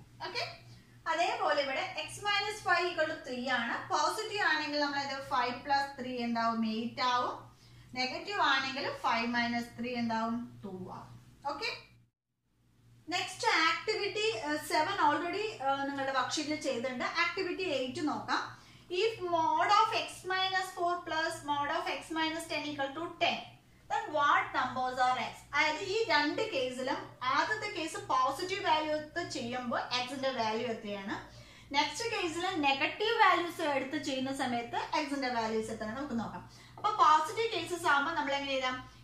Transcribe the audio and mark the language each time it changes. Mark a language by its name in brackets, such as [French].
[Malayalam] Okay, അതേപോലെ ഇവിടെ x - 5 = 3 ആണ്. പോസിറ്റീവ് ആണെങ്കിൽ നമ്മൾ ഇത് 5 + 3 എന്താവും? 8 ആവും. നെഗറ്റീവ് ആണെങ്കിൽ 5 - 3 എന്താവും? 2 ആവും. ഓക്കെ, നെക്സ്റ്റ് ആക്ടിവിറ്റി 7 ഓൾറെഡി നിങ്ങളുടെ വർക്ക്ഷീറ്റിൽ ചെയ്തിട്ടുണ്ട്. ആക്ടിവിറ്റി 8 നോക്കാം. [English] If mod of x - 4 + mod of x - 10 = 10, then what numbers are x? [Malayalam] അതായത് ഈ രണ്ട് കേസിലും ആദ്യത്തെ കേസ് പോസിറ്റീവ് വാല്യൂ എടുത്ത് ചെയ്യുമ്പോൾ എക്സിന്റെ വാല്യൂ എത്രയാണ്, നെക്സ്റ്റ് കേസിൽ നെഗറ്റീവ് വാല്യൂസ് എടുത്ത് ചെയ്യുന്ന സമയത്ത് എക്സിന്റെ വാല്യൂസ് എത്രയാണ് നമുക്ക് നോക്കാം. അപ്പൊ പോസിറ്റീവ് കേസസ് ആകുമ്പോൾ നമ്മൾ എങ്ങനെ ചെയ്താം?